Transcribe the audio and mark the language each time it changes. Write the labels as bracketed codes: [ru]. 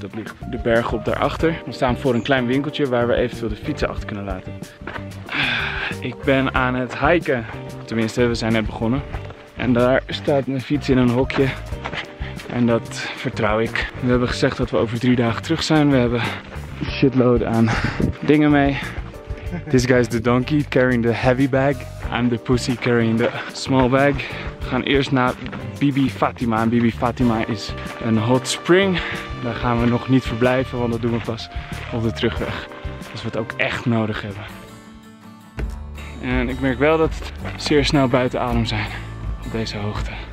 [nl] Dat ligt de berg op daarachter. We staan voor een klein winkeltje waar we eventueel de fietsen achter kunnen laten. Ik ben aan het hiken. Tenminste, we zijn net begonnen. En daar staat mijn fiets in een hokje. En dat vertrouw ik. We hebben gezegd dat we over 3 dagen terug zijn. We hebben shitload aan dingen mee. [en] This guy is the donkey carrying the heavy bag. I'm the pussy carrying the small bag. [nl] We gaan eerst naar Bibi Fatima. En Bibi Fatima is een hot spring. Daar gaan we nog niet verblijven, want dat doen we pas op de terugweg. Als we het ook echt nodig hebben. En ik merk wel dat het zeer snel buiten adem zijn op deze hoogte.